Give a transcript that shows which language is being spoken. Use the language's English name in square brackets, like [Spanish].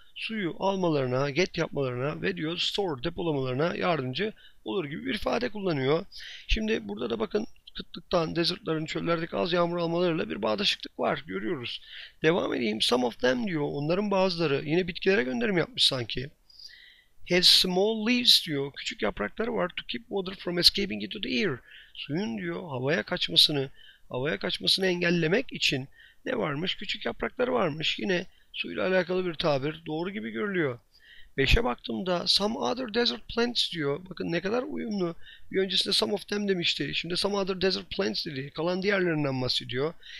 [Turkish] Suyu almalarına, get yapmalarına ve diyor store depolamalarına yardımcı olur gibi bir ifade kullanıyor. Şimdi burada da bakın kıtlıktan, desertların, çöllerdeki az yağmur almalarıyla bir bağdaşıklık var, görüyoruz. Devam edeyim. [English] Some of them [Turkish] diyor. Onların bazıları. Yine bitkilere gönderim yapmış sanki. [English] Has small leaves [Turkish] diyor. Küçük yaprakları var. [English] To keep water from escaping into the air. [Turkish] Suyun diyor havaya kaçmasını engellemek için ne varmış? Küçük yaprakları varmış. Yine suyla alakalı bir tabir. Doğru gibi görülüyor. 5'e baktığımda [English] some other desert plants [Turkish] diyor. Bakın ne kadar uyumlu. Bir öncesinde some of them demişti. Şimdi [English] some other desert plants [Turkish] dedi. Kalan diğerlerinden bahsediyor.